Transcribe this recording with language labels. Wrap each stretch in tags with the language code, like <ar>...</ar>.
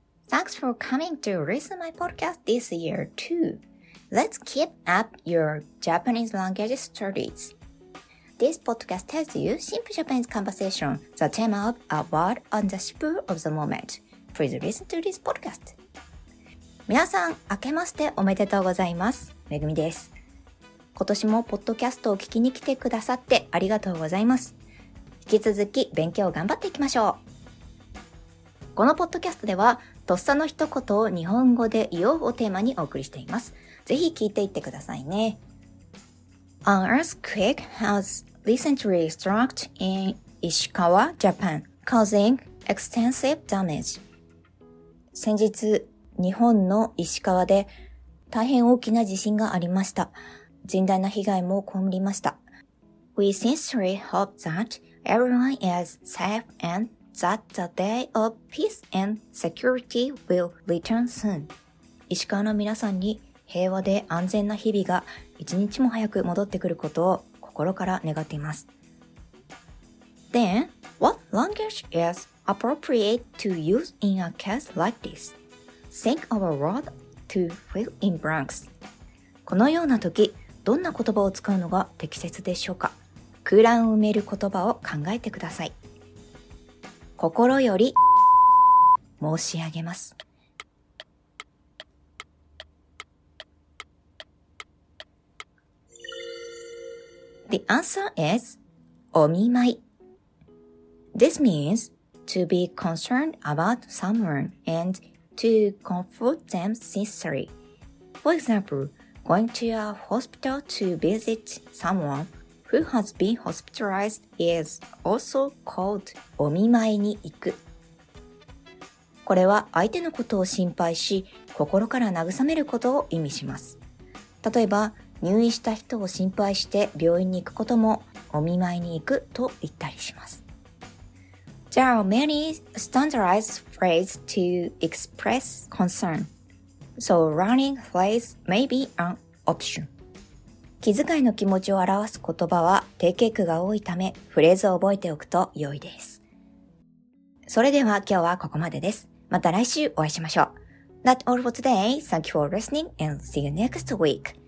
<en>Thanks for coming to listen my podcast this year too. Let's keep up your Japanese language studies. This podcast tells you simple Japanese conversation, the theme of a word on the shippu of the moment. Please listen to this podcast.</en> <ja>皆さん、明けましておめでとうございます。めぐみです。今年もポッドキャストを聞きに来てくださってありがとうございます。引き続き勉強を頑張っていきましょう。このポッドキャストでは、とっさの一言を日本語で言おうをテーマにお送りしています。ぜひ聞いていってくださいね。</ja> <en>An earthquake has recently struck in Ishikawa, Japan, causing extensive damage.</en> <ja>先日、日本の石川で大変大きな地震がありました。甚大な被害も被りました。</ja> <en>We sincerely hope that everyone is safe and that the day of peace and security will return soon.</en> <ja>石川の皆さんに平和で安全な日々が一日も早く戻ってくることを心から願っています。</ja> <en>Then, what language is appropriate to use in a case like this? Think of a word to fill in blanks.</en> <ja>このような時、どんな言葉を使うのが適切でしょうか。空欄を埋める言葉を考えてください。心より申し上げます。</ja> <en>The answer is お見舞い。 This means to be concerned about someone andTo comfort them sincerely. For example, going to a hospital to visit someone who has been hospitalized is also called</en> <ja>お見舞いに行く。これは相手のことを心配し、心から慰めることを意味します。例えば、入院した人を心配して病院に行くこともお見舞いに行くと言ったりします。</ja> <en>There are many standardized phrases to express concern, so running phrase may be an option.</en> <ja>気遣いの気持ちを表す言葉は定型句が多いため、フレーズを覚えておくと良いです。それでは今日はここまでです。また来週お会いしましょう。</ja> <en>That's all for today. Thank you for listening and see you next week.</en>